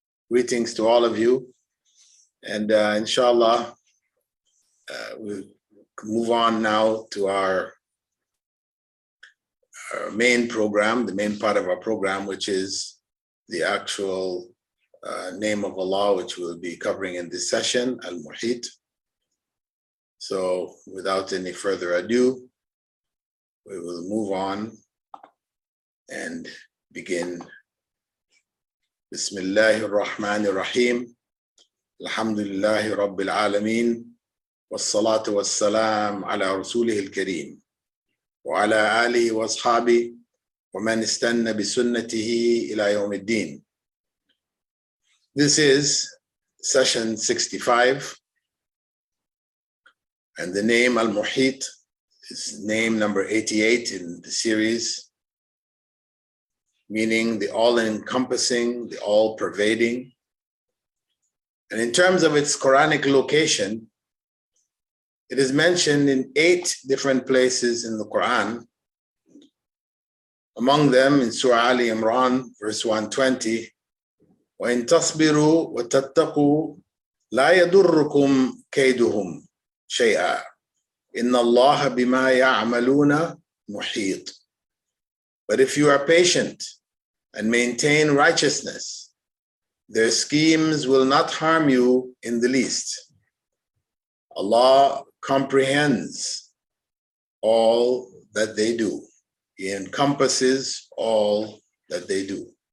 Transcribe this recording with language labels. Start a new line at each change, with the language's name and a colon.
English: Greetings to all of you. And inshallah, we'll move on now to our main program, the main part of our program, which is the actual name of Allah, which we'll be covering in this session, Al-Muhit. So without any further ado, we will move on and begin.
Arabic: بسم الله الرحمن الرحيم الحمد لله رب العالمين والصلاة والسلام على رسوله الكريم وعلى آله وأصحابه ومن استنى بسنته إلى يوم الدين.
English: This is session 65, and the name Al-Muhit is name number 88 in the series, meaning the all-encompassing, the all-pervading. And in terms of its Quranic location, it is mentioned in 8 different places in the Quran. Among them in Surah Ali Imran, verse 120,
Arabic: وَإِن تَصْبِرُوا وَتَتَّقُوا لَا يَدُرُّكُمْ كَيْدُهُمْ شَيْئًا إِنَّ اللَّهَ بِمَا يَعْمَلُونَ مُحِيطٌ.
English: But if you are patient and maintain righteousness, their schemes will not harm you in the least. Allah comprehends all that they do. He encompasses all that they do.